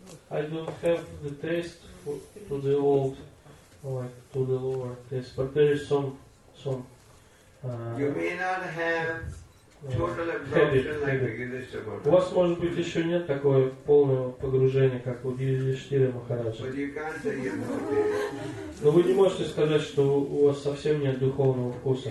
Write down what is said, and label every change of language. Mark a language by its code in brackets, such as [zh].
[en] I don't have the taste for, to the old, like to the lower taste, but there is some. You may not have total absorption like Yudhishthira Maharaj. [ru] У вас может быть еще нет такого полного погружения, как у Юдхиштхиры Махараджа. [en] But you can't say you have no taste. [ru] Но вы не можете сказать, что у вас совсем нет духовного вкуса.